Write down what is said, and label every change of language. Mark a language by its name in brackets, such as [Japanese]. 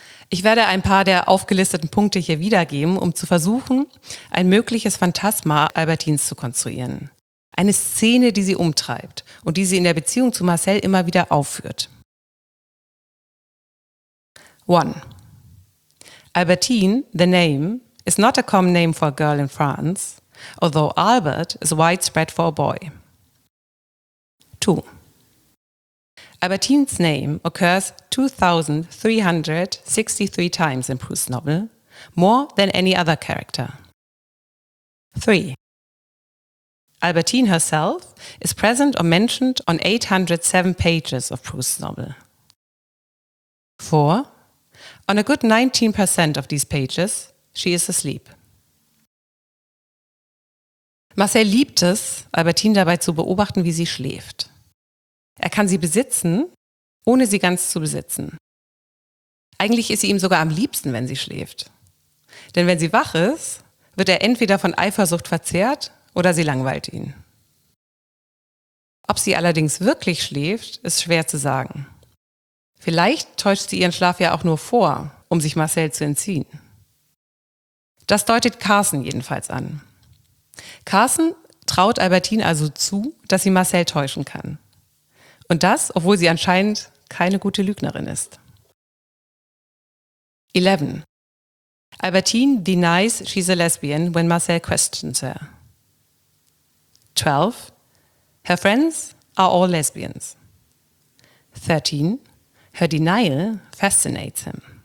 [German] Ich werde ein paar der aufgelisteten Punkte hier wiedergeben, um zu versuchen, ein mögliches Phantasma Albertines zu konstruieren. Eine Szene, die sie umtreibt und die sie in der Beziehung zu Marcel immer wieder aufführt. 1. [English] Albertine, the name, is not a common name for a girl in France, although Albert is widespread for a boy. 2. Albertine's name occurs 2,363 times in Proust's novel, more than any other character. 3. Albertine herself is present or mentioned on 807 pages of Proust's novel. 4. On a good 19% of these pages, she is asleep. [German] Marcel liebt es, Albertine dabei zu beobachten, wie sie schläft. Er kann sie besitzen, ohne sie ganz zu besitzen. Eigentlich ist sie ihm sogar am liebsten, wenn sie schläft. Denn wenn sie wach ist, wird er entweder von Eifersucht verzehrt oder sie langweilt ihn. Ob sie allerdings wirklich schläft, ist schwer zu sagen. Vielleicht täuscht sie ihren Schlaf ja auch nur vor, um sich Marcel zu entziehen. Das deutet Carson jedenfalls an. Carson traut Albertine also zu, dass sie Marcel täuschen kann. Und das, obwohl sie anscheinend keine gute Lügnerin ist. 11. [English] Albertine denies she's a lesbian when Marcel questions her. 12. Her friends are all lesbians. 13. Her denial fascinates him.